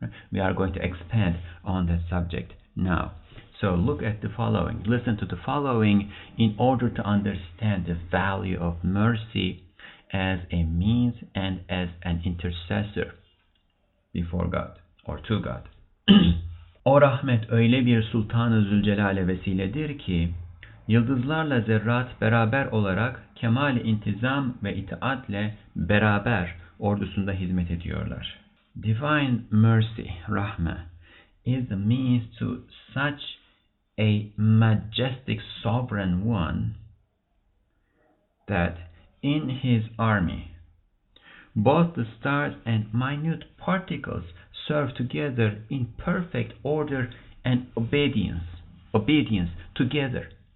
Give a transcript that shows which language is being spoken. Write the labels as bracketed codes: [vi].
[en] We are going to expand on that subject now. So look at the following. Listen to the following in order to understand the value of mercy as a means and as an intercessor before God or to God. [tr] O rahmet öyle bir Sultan-ı Zülcelal'e vesiledir ki, yıldızlarla zerrat beraber olarak kemal-i intizam ve itaatle beraber ordusunda hizmet ediyorlar. [en] Divine mercy, rahme, is the means to such a majestic sovereign one that in his army, both the stars and minute particles serve together in perfect order and obedience together.